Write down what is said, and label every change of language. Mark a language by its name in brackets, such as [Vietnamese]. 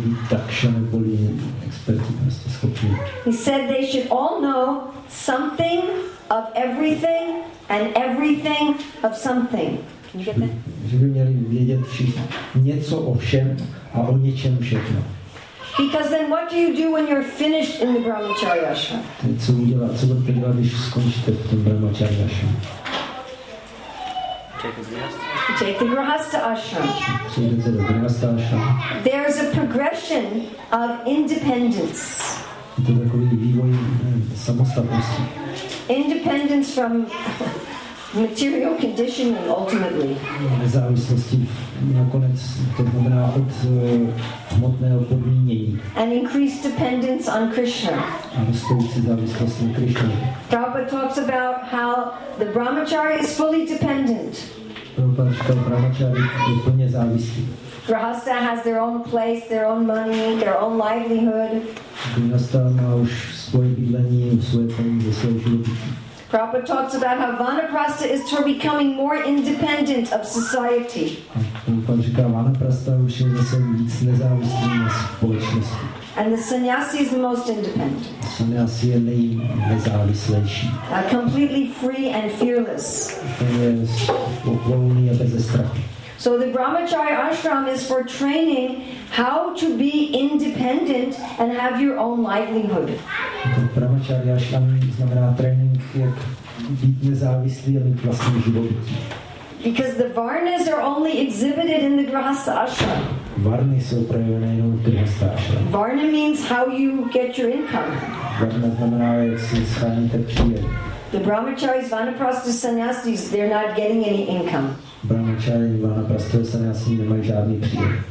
[Czech] Daksha neboli experti, prostě schopní. [English] He said they should all know something of everything and everything of something. [Czech] Že by měli vědět něco o všem a o něčem všechno. [English] Because then what do you do when you're finished in the Brahmachari ashram? [Czech] Co udělat, co budete dělat, když skončíte v tom Brahmachari ashram? [English] Take the Grihastha ashram. [Czech] Přijdete do Grihastha ashram. [English] There's a progression of independence. [Czech] Je to takový vývoj samostatnosti. [English] Independence from material conditioning ultimately. [Czech] Nezávislosti nakonec to znamená od hmotného podmínění. [English] An increased dependence on Krishna. [Czech] A rostoucí závislost na Krishna. [English] Prabhupada talks about how the brahmachari is fully dependent. [Czech] Prabhupada říká, brahmachari je plně závislý. [English] Grihastha has their own place, their own money, their own livelihood. [Czech] Grihastha má už svoje bydlení, svoje peníze, svoje živobytí. [English] Prabhupada talks about how vanaprastha is to becoming more independent of society. [Czech] Prabhupada říká, vanaprastha už je zase víc nezávislý na společnosti. [English] And the sannyasi is the most independent. [Czech] Sannyasi je nejnezávislejší. [English] Completely free and fearless. [Czech] Ten je volný a bez strachu. [English] So the Brahmachari ashram is for training how to be independent and have your own livelihood. [Czech] Brahmachari ashram znamená trénink, jak být nezávislý a mít vlastní život. [English] Because the varnas are only exhibited in the grihastha ashram. [Czech] Varny jsou projevené jenom v grihastha ashram. [English] Varna means how you get your income. [Czech] Varna znamená, jak si scháníte příjem. [English] The brahmacharis, vanaprastha, sannyasis, they're not getting any income. [Czech] Brahmacharis, vanaprastha, sannyasis nemají žádný příjem.